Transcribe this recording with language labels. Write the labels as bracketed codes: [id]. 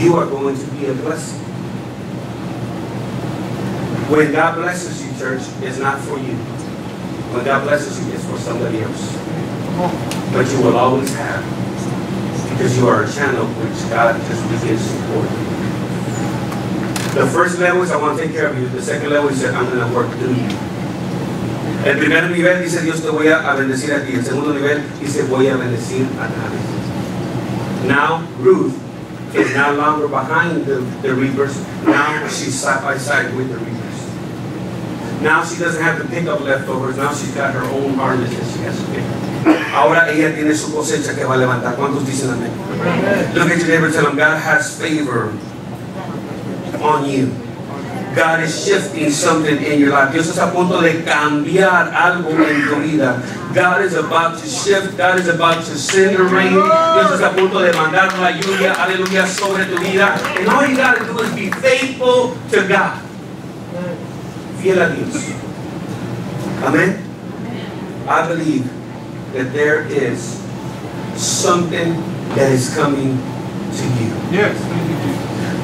[en] You are going to be a blessing. When God blesses you, church, it's not for you. When God blesses you, it's for somebody else. But you will always have. Because you are a channel which God just begins to pour. The first level is, I want to take care of you. The second level is, I'm going to work through you. [es] El primer nivel dice, Dios te voy a bendecir a ti. El segundo nivel dice, voy a bendecir a ti. [en] Now, Ruth is no longer behind the reapers. Now, she's side by side with the reapers. Now she doesn't have to pick up leftovers. Now she's got her own harvest that she has to pick. [es] Ahora ella tiene su cosecha que va a levantar. ¿Cuántos dicen amén? [en] Look at your neighbor and tell them, God has favor on you. God is shifting something in your life. [es] Dios está a punto de cambiar algo en tu vida. [en] God is about to shift. God is about to send the rain. [es] Dios está a punto de mandar la lluvia, aleluya, sobre tu vida. [en] And all you got to do is be faithful to God. [es] Fiel a Dios. [en] Amen. I believe that there is something that is coming to you. Yes.